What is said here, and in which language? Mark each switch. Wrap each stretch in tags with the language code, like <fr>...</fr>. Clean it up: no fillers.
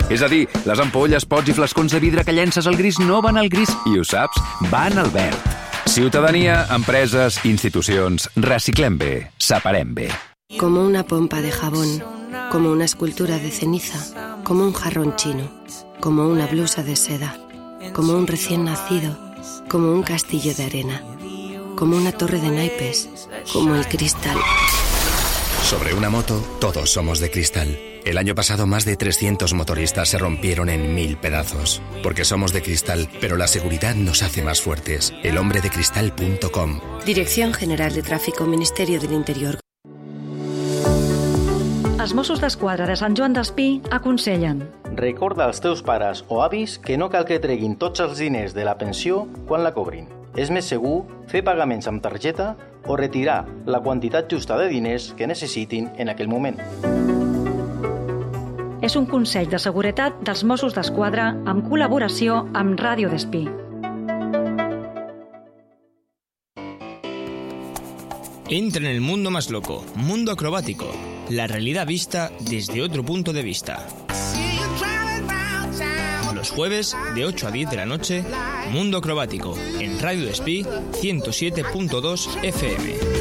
<ca>És a dir, les ampolles, pots i flascons de vidre que llences al gris no van al gris, i ho saps, van al verd. Ciutadania,</ca> <es>empresas, instituciones,</es> <ca>reciclem bé, separem bé.</ca> <es>Como una pompa de jabón, como una escultura de ceniza, como un jarrón chino, como una blusa de seda, como un recién nacido, como un castillo de arena, como una torre de naipes, como el cristal. Sobre una moto, todos somos de cristal. El año pasado más de 300 motoristas se rompieron en 1000 pedazos. Porque somos de cristal, pero la seguridad nos hace más fuertes. Elhombredecristal.com. Dirección General de Tráfico, Ministerio del Interior.</es> <ca>Els Mossos d'Esquadra de Sant Joan Despí aconsellen. Recorda als teus pares o avis que no cal que treguin tots els diners de la pensió quan la cobrin. És més segur fer pagaments amb targeta o retirar la quantitat justa de diners que necessitin en aquell moment. És un consell de seguretat dels Mossos d'Esquadra en col·laboració amb Ràdio Despí.</ca> <es>Entra en el mundo más loco, mundo acrobático, la realidad vista desde otro punto de vista. Los jueves de 8 a 10 de la noche, Mundo Acrobático, en Ràdio Despí, 107.2 FM.</es>